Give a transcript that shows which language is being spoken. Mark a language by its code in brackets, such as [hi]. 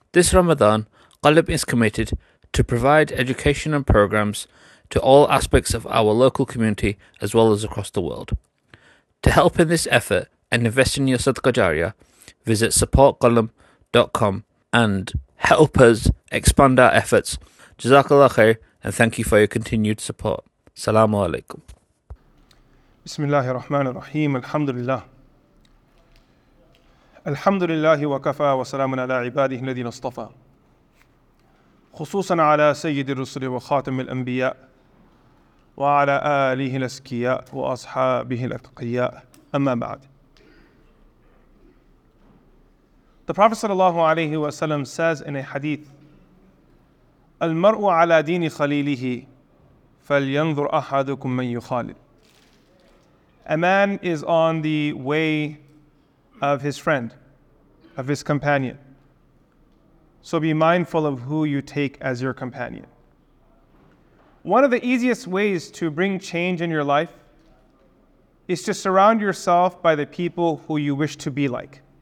[en] This Ramadan, Qalb is committed to provide education and programs to all aspects of our local community as well as across the world. To help in this effort and invest in your Sadqa Jariyah, visit supportqalb.com and help us expand our efforts. Jazakallah khair and thank you for your continued support. Assalamu alaikum. [ar] بسم الله الرحمن الرحيم الحمد لله الحمد لله وكفى وسلام على عباده الذين اصطفى خصوصا على سيد الرسل وخاتم الأنبياء وعلى آله الأزكياء وأصحابه الأتقياء أما بعد. [en] The Prophet [ar] صلى الله عليه وسلم [en] says in a hadith, [ar] المرء على دين خليله فلينظر أحدكم من يخالل. [en] A man is on the way of his friend, of his companion. So be mindful of who you take as your companion. One of the easiest ways to bring change in your life is to surround yourself by the people who you wish to be like.